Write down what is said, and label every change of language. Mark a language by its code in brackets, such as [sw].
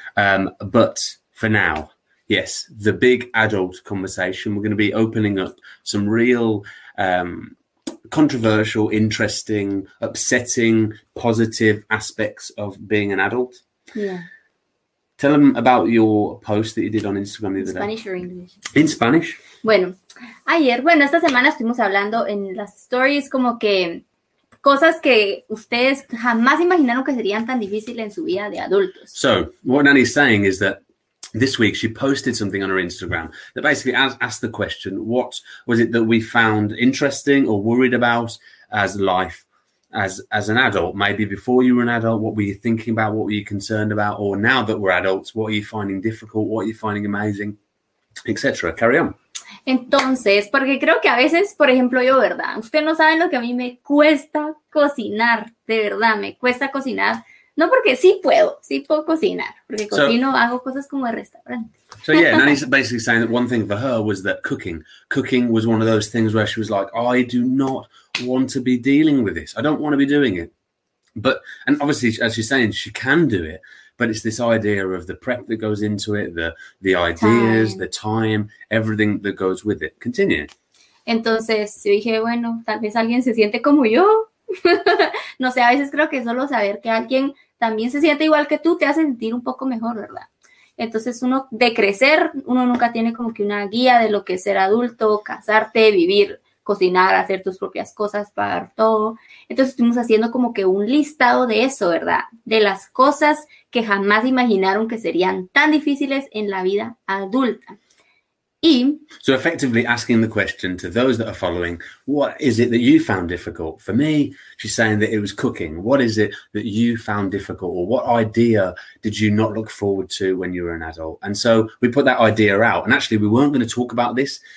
[en] But for now, yes, the big adult conversation. We're going to be opening up some real controversial, interesting, upsetting, positive aspects of being an adult. Yeah. Tell them about your post that you did on Instagram the other day. Spanish or English? In Spanish. [es] Bueno, ayer, bueno, esta semana estuvimos hablando en las stories como que cosas que ustedes jamás imaginaron que serían tan difíciles en su vida de adultos. [en] So, what Nani's saying is that this week she posted something on her Instagram that basically asked the question, what was it that we found interesting or worried about as life, as an adult? Maybe before you were an adult, what were you thinking about? What were you concerned about? Or now that we're adults, what are you finding difficult? What are you finding amazing? Etc. Carry on. [es] Entonces, porque creo que a veces, por ejemplo, yo, ¿verdad? Ustedes no saben lo que a mí me cuesta cocinar, de verdad, me cuesta cocinar. No, porque sí puedo cocinar, porque cocino, so, hago cosas como de restaurante. [en] So, yeah, Nani's basically saying that one thing for her was that cooking was one of those things where she was like, I do not want to be dealing with this. I don't want to be doing it. But, and obviously, as she's saying, she can do it, but it's this idea of the prep that goes into it, the ideas, time. The time, everything that goes with it. Continue. [es] Entonces, yo dije, bueno, tal vez alguien se siente como yo. No sé, a veces creo que solo saber que alguien también se siente igual que tú te hace sentir un poco mejor, ¿verdad? Entonces uno, de crecer, uno nunca tiene como que una guía de lo que es ser adulto, casarte, vivir, cocinar, hacer tus propias cosas, pagar todo. Entonces estuvimos haciendo como que un listado de eso, ¿verdad? De las cosas que jamás imaginaron que serían tan difíciles en la vida adulta. [en] So effectively asking the question to those that are following, what is it that you found difficult? For me, she's saying that it was cooking. What is it that you found difficult? Or what idea did you not look forward to when you were an adult? And so we put that idea out. And actually, we weren't going to talk about this.